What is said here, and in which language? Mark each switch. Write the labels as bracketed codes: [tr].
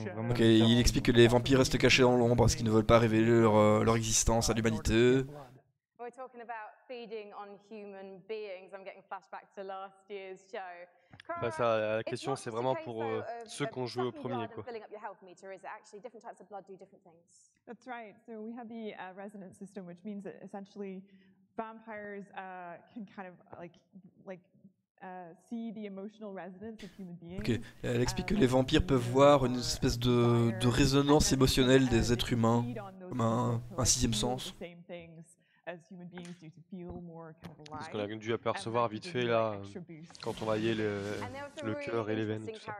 [fr] Ok, il explique que les vampires restent cachés dans l'ombre parce qu'ils ne veulent pas révéler leur existence à l'humanité. [en] We're talking about feeding on human beings. I'm getting flashback to last year's show. [fr] Bah ça, la question c'est vraiment pour ceux qui ont joué au premier quoi. [en] That's right. So we have the resonance system, which means that essentially vampires can kind of like see the emotional resonance of human beings. [fr] Ok, elle explique que les vampires peuvent voir une espèce de résonance émotionnelle des êtres humains, comme un sixième sens. Parce qu'on a dû apercevoir vite fait là, quand on voyait le cœur et les veines. Tout ça.